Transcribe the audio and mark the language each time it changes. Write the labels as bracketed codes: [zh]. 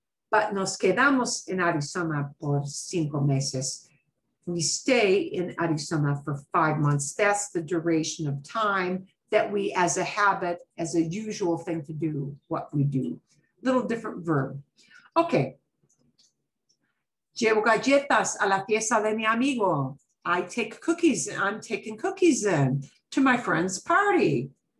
[es] But nos quedamos en Arizona por cinco meses. [en] We stay in Arizona for 5 months. That's the duration of time that we, as a habit, as a usual thing to do, what we do. Little different verb. Okay. [es] Llevo galletas a la fiesta de mi amigo. [en] I take cookies. I'm taking cookies in to my friend's party.